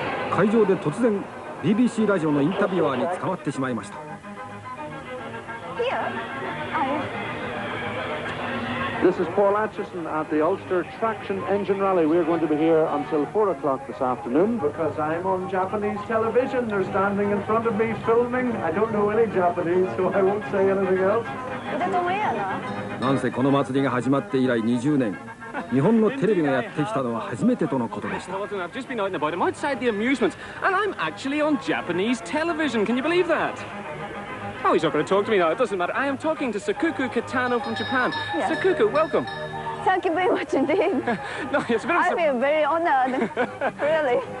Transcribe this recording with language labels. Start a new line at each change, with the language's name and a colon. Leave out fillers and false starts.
Japanese: 会場で突然 BBC ラジオのインタビュアーに捕まってしまいました。
English: This is Paul Atchison at the Ulster Traction Engine Rally. We are going to be here until 4 o'clock this afternoon because I'm on Japanese television. They're standing in front of me filming. I don't know any Japanese, so I won't say anything else.
Japanese: なんせこの祭りが始まって以来20年、日本のテレビがやってきたのは初めてとのことでした。
English: I've just been out and about. I'm outside the amusement, and I'm actually on Japanese television. Can you believe that? Oh, he's not going to talk to me now. It doesn't matter. I am talking to Sakuku Kitano from Japan. Yes. Sakuku, welcome. Thank you very much indeed. No, it's been I feel very honored. Really.